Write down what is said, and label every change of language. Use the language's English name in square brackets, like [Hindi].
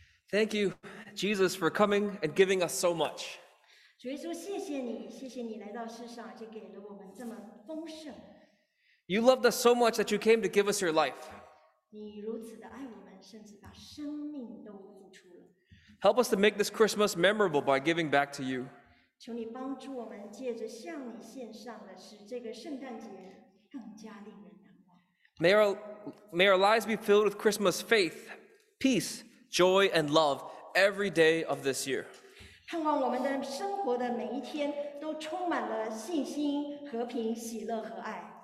[English] Thank you, Jesus, for coming and giving us so much. [Chinese] 主耶稣，谢谢你，谢谢你来到世上，就给了我们这么丰盛。 [English] You loved us so much that you came to give us your life. [Chinese] 你如此的爱我们，甚至把生命都付出了。 [English] Help us to make this Christmas memorable by giving back to you. [Chinese] 求你帮助我们，借着向你献上的，使这个圣诞节更加令人难忘。 [English] May our lives be filled with Christmas faith, peace, joy, and love every day of this year. [Chinese] 盼望我们的生活的每一天都充满了信心、和平、喜乐和爱。